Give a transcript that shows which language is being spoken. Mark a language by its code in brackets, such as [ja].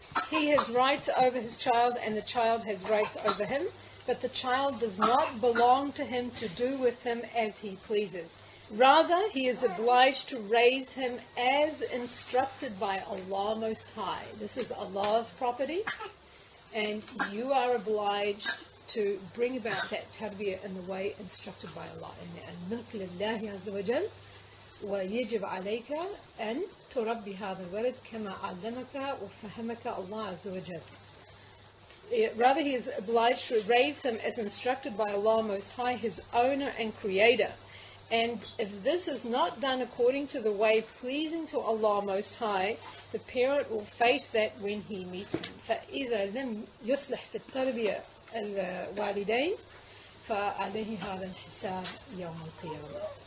[en] He has rights over his child and the child has rights over him, but the child does not belong to him to do with him as he pleases. Rather, he is obliged to raise him as instructed by Allah Most High. This is Allah's property. And you are obliged to bring about that tarbiyah in the way instructed by Allah. [ar] And الملك لله عز وجل ويجب عليك أن تربي هذا الولد كما علمك وفهمك الله عز وجل. [en] Rather, he is obliged to raise him as instructed by Allah Most High, his owner and creator. And if this is not done according to the way pleasing to Allah Most High, the parent will face that when he meets him. [ar] فَإِذَا لَمْ يُصْلِحْ فِي التَّرْبِيَةِ الْوَالِدَيْنِ فَعَلَيْهِ هَذَا الْحِسَابِ يَوْمَ الْقِيَامَةِ.